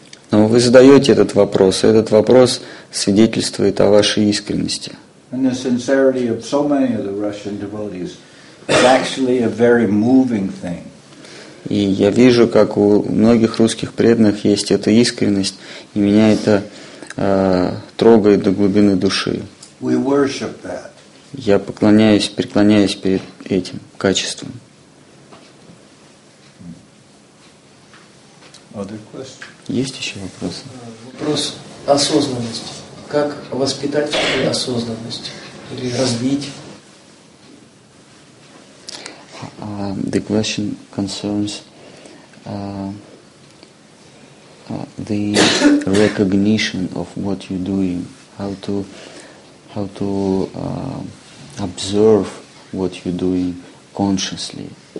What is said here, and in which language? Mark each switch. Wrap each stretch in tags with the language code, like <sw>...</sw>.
<ru>Но вы задаете этот вопрос, и этот вопрос свидетельствует о вашей искренности.</ru> <en>And the sincerity of so many of the Russian devotees is actually a very moving thing.</en> <ru>И я вижу, как у многих русских преданных есть эта искренность, и меня это трогает до глубины души.</ru> <en>We worship that.</en> <ru>Я поклоняюсь, преклоняюсь перед этим качеством. Есть еще вопросы? Вопрос осознанности. Как воспитать в себе осознанность или развить?</ru> <en>The question concerns the recognition of what you're doing. How to observe what you're doing consciously.</en>